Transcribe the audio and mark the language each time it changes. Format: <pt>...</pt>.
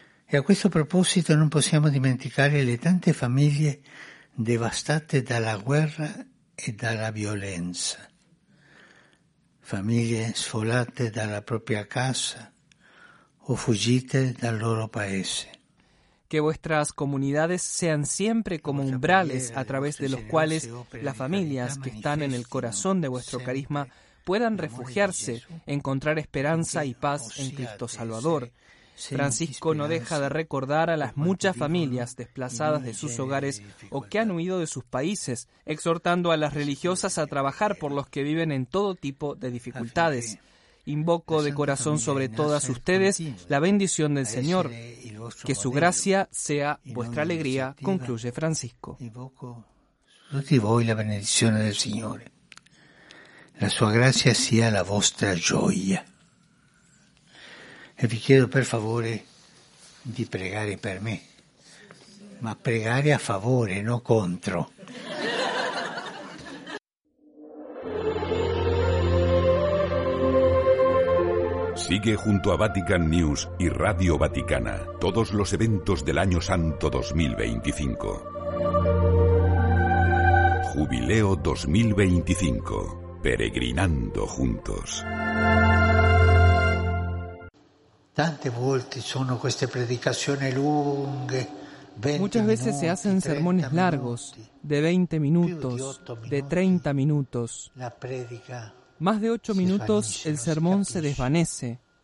<it>E a questo proposito non possiamo dimenticare le tante famiglie devastate dalla guerra e dalla violenza. Famiglie sfollate dalla propria casa o fuggite dal loro paese.</it> <es>Che vostras comunidades sean siempre como umbrales a través de los cuales las familias que están en el corazón de vuestro carisma puedan refugiarse, encontrar esperanza y paz en Cristo Salvador. Francisco no deja de recordar a las muchas familias desplazadas de sus hogares o que han huido de sus países, exhortando a las religiosas a trabajar por los que viven en todo tipo de dificultades. Invoco de corazón sobre todas ustedes la bendición del Señor. Que su gracia sea vuestra alegría, concluye Francisco.</es> <it>Invoco tutti voi la benedizione del Signore. La sua gracia sia la vostra gioia. E vi chiedo per favore di pregare per me, ma pregare a favore, non contro.</it> <es>Sigue junto a Vatican News y Radio Vaticana todos los eventos del Año Santo 2025. Jubileo 2025. Peregrinando juntos.</es> <it>Tante volte sono queste predicazioni lunghe.</it> <es>Muchas veces se hacen sermones largos, de 20 minutos, de 30 minutos. Más de 8 minutos el sermón se desvanece.</es>